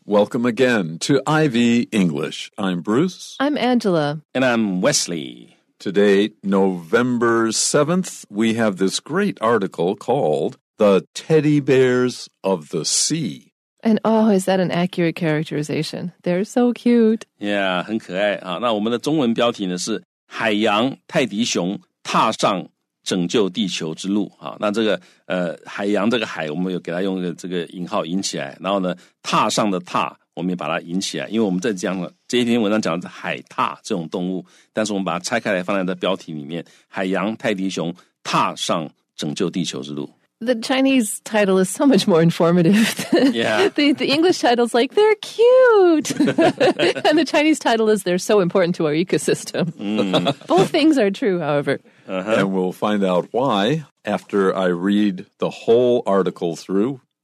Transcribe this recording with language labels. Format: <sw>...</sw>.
<en>Welcome again to Ivy English. I'm Bruce. I'm Angela. And I'm Wesley. Today, November 7th, we have this great article called The Teddy Bears of the Sea. And oh, is that an accurate characterization? They're so cute. Yeah,</en> <zh>很可爱啊。那我们的中文标题呢是海洋泰迪熊踏上拯救地球之路啊，那这个海洋这个海，我们有给它用这个引号引起来，然后呢，踏上的踏，我们也把它引起来，因为我们在讲这一篇文章讲的是海獭这种动物，但是我们把它拆开来放在的标题里面，海洋泰迪熊踏上拯救地球之路。</zh> <en>The Chinese title is so much more informative. The English title is like, they're cute. And the Chinese title is, they're so important to our ecosystem. Both things are true, however. Uh-huh. And we'll find out why after I read the whole article through.</en>